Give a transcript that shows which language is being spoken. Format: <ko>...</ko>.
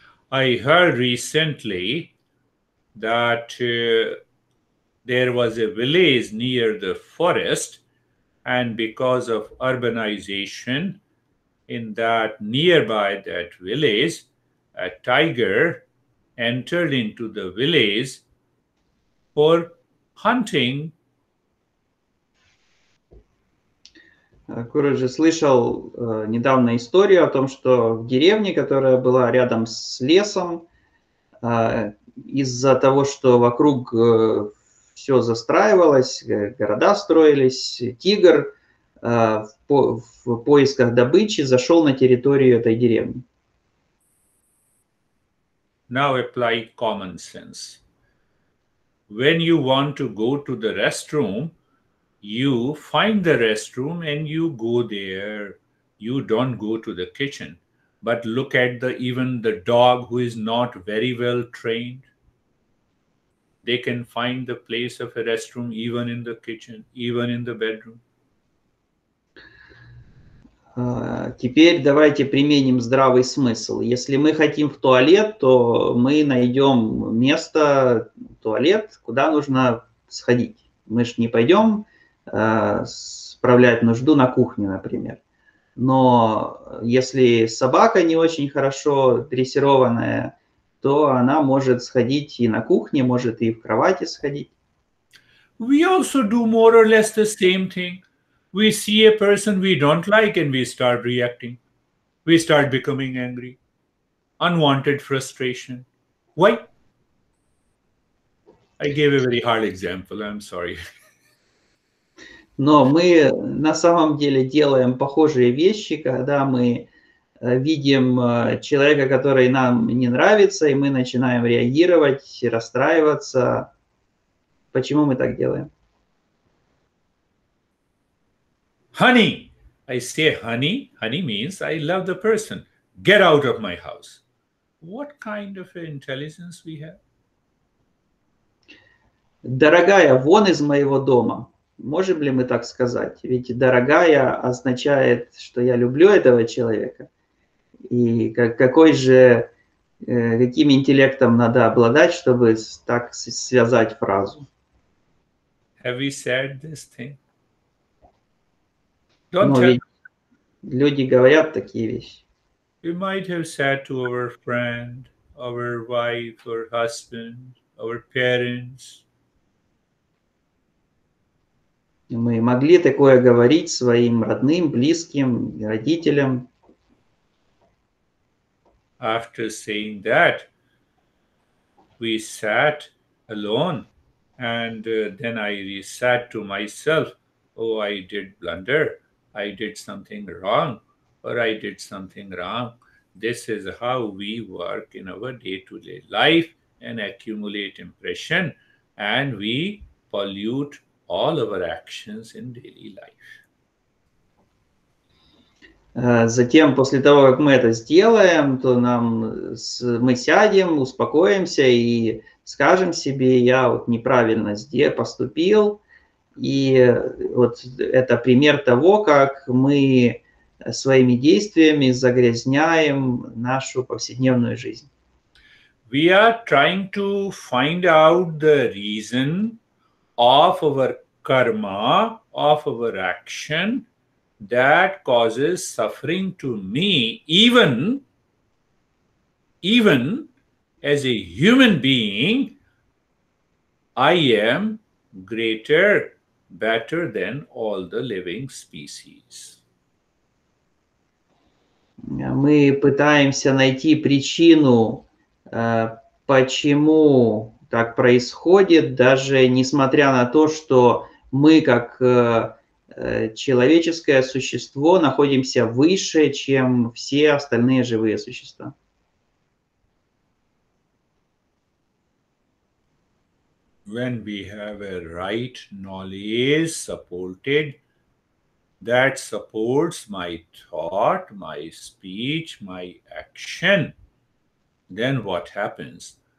<en>I heard recently that there was a village near the forest, and because of urbanization in that nearby that village, a tiger entered into the village for hunting.</en> <ru>Курас же слышал недавно историю о том, что в деревне, которая была рядом с лесом, из-за того, что вокруг все застраивалось, города строились, тигр в поисках добычи зашел на территорию этой деревни.</ru> <en>Now apply common sense. When you want to go to the restroom, you find the restroom and you go there. you don't go to the kitchen, but look at the even the dog who is not very well trained. They can find the place of a restroom even in the kitchen, even in the bedroom.</en> <ru>Теперь давайте применим здравый смысл. Если мы хотим в туалет, то мы найдем место, туалет, куда нужно сходить. Мы же не пойдем справлять нужду на кухне, например. Но если собака не очень хорошо дрессированная, то она может сходить и на кухне, может и в кровати сходить.</ru> <en>We also do more or less the same thing. We see a person we don't like and we start reacting. We start becoming angry. Unwanted frustration. Why? I gave a very hard example, I'm sorry.</en> <ru>Но мы на самом деле делаем похожие вещи, когда мы видим человека, который нам не нравится, и мы начинаем реагировать, расстраиваться. Почему мы так делаем?</ru> <en>Honey, I say honey. Honey means I love the person. Get out of my house. What kind of intelligence we have?</en> <ru>Дорогая, вон из моего дома. Можем ли мы так сказать? Ведь дорогая означает, что я люблю этого человека. И какой же, каким интеллектом надо обладать, чтобы так связать фразу?</ru> <en>Have we said this thing?</en> <ru>Но ведь люди говорят такие вещи.</ru> <en>We might have said to our friend, our wife, our husband, our parents.</en> <ru>Мы могли такое говорить своим родным, близким, родителям.</ru> <en>After saying that, we sat alone, and then I said to myself, "Oh, I did blunder. I did something wrong, or I did something wrong." This is how we work in our day-to-day life and accumulate impression, and we pollute all our actions in daily life.</en> <ru>Затем, после того, как мы это сделаем, то нам мы сядем, успокоимся и скажем себе, я вот неправильно поступил. И вот это пример того, как мы своими действиями загрязняем нашу повседневную жизнь.</ru> <en>We are trying to find out the reason of our karma, of our action, that causes suffering to me, even as a human being, I am greater, better than all the living species.</en> <ru>Мы пытаемся найти причину, почему так происходит, даже несмотря на то, что мы как человеческое существо находимся выше, чем все остальные живые существа.</ru> <en>When we have a right knowledge supported, that supports my thought, my speech, my action, then what happens?</en>